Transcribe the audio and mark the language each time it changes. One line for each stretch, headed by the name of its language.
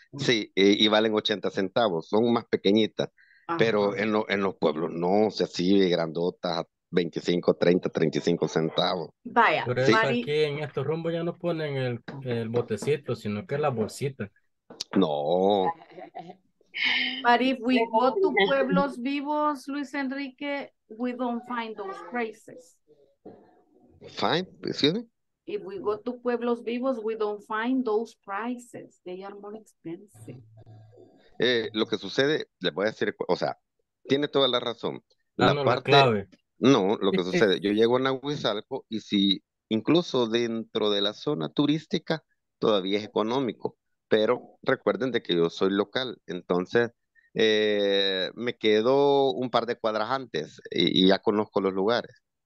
Spanish: Sí, y valen 80 centavos, son más pequeñitas, pero en los pueblos no, o sea, sí, grandotas, 25, 30, 35 centavos. Vaya, Por eso aquí Mari. en estos rumbos ya no ponen el botecito, sino que la bolsita. No.
English: Mari, we go to Pueblos Vivos, Luis Enrique, we don't find those places. Fine, excuse If we go to Pueblos Vivos, we don't find those prices. They are more expensive.
Spanish: Lo que sucede, les voy a decir, o sea, tiene toda la razón. La Danos la parte, clave. no, lo que sucede, yo llego a Nahuizalco y si incluso dentro de la zona turística todavía es económico, pero recuerden de que yo soy local, entonces me quedo un par de cuadras antes y ya conozco los lugares.